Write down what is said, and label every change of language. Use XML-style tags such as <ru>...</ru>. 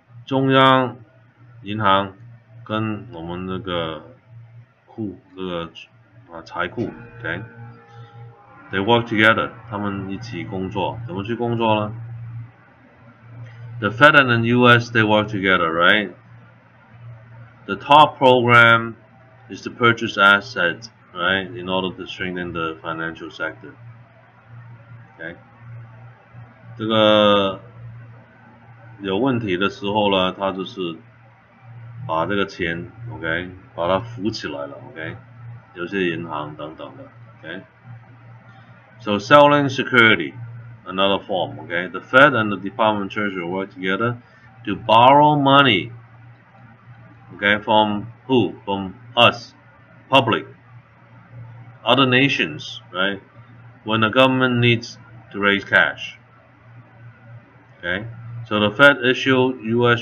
<zh>中央银行跟我们那个库那个啊财库 ，okay?</zh> <en>They work together.</en> <zh>他们一起工作，怎么去工作呢 ？</zh> <en>The Fed and the U.S. they work together, right? The top program is to purchase assets, right? In order to strengthen the financial sector. Okay.</en> <zh>这个有问题的时候呢，他就是把这个钱 ，OK， 把它扶起来了 ，OK， 有些银行等等的 ，OK。</zh> <en>So selling security, another form, OK. The Fed and the Department of Treasury work together to borrow money, OK, from who? From us, public, other nations, right? When the government needs to raise cash. Okay, so the Fed issued U.S.</en>